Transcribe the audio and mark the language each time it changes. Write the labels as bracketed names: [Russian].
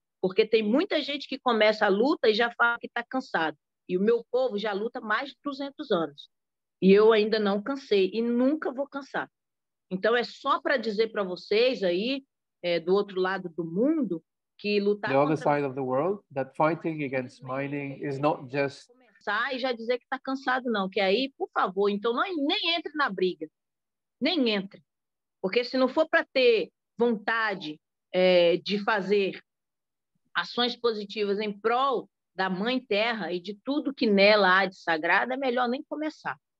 [Portuguese] Porque tem muita gente que começa a luta e já fala que está cansado. E o meu povo já luta mais de 200 anos. E eu ainda não cansei e nunca vou cansar. Então, é só para dizer para vocês aí, do outro lado do mundo, que lutar [English] contra... The other side of the world, that fighting against mining is not just... [Portuguese] Começar e já dizer que está cansado, não. Que aí, por favor, então não, nem entre na briga. Nem entre. Porque se não for para ter vontade de fazer ações positivas em prol da Mãe Terra e de tudo que nela há de sagrado, é melhor nem começar.